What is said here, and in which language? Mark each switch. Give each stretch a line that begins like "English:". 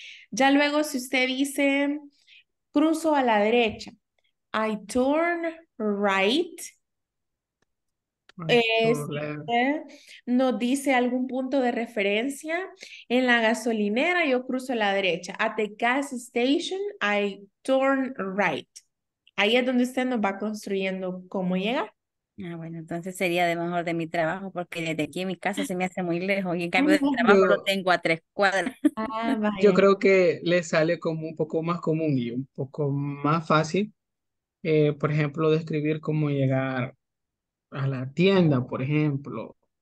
Spanish: Ya luego, si usted dice, cruzo a la derecha,
English: I turn right.
Spanish: Si usted nos dice algún punto de referencia, en la gasolinera, yo cruzo a la derecha.
English: At the gas station, I turn right.
Spanish: Ahí es donde usted nos va construyendo cómo llega. Ah, bueno, entonces sería de mejor de mi trabajo, porque desde aquí en mi casa se me hace muy lejos y en cambio del trabajo lo Yo tengo a 3 cuadras. creo que le sale como un poco más común y un poco más fácil, por ejemplo, describir cómo llegar a la tienda, por ejemplo.